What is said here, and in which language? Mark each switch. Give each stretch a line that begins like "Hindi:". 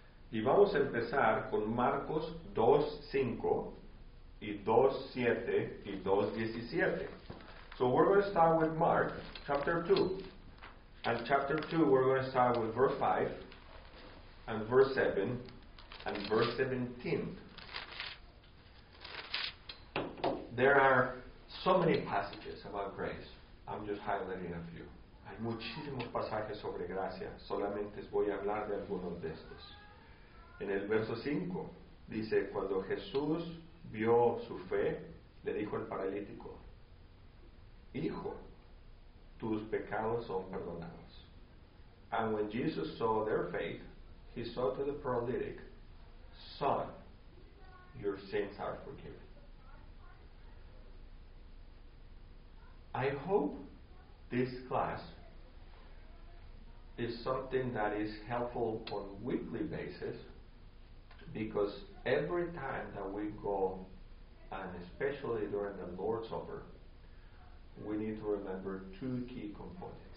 Spanish: Y vamos a empezar con Marcos 2:5 y 2:7 y 2:17.
English: So we're going to start with Mark chapter 2. And chapter 2, we're going to start with verse 5 and verse 7 and verse 17. There are so many passages about grace. I'm just highlighting a few.
Spanish: Hay muchísimos pasajes sobre gracia. Solamente voy a hablar de algunos de estos. En el verso 5 dice, cuando Jesús vio su fe, le dijo al paralítico, hijo, tus pecados son perdonados.
English: And when Jesus saw their faith, he said to the paralytic, son, your sins are forgiven. I hope this class is something that is helpful on a weekly basis, because every time that we go, and especially during the Lord's Supper, we need to remember two key components.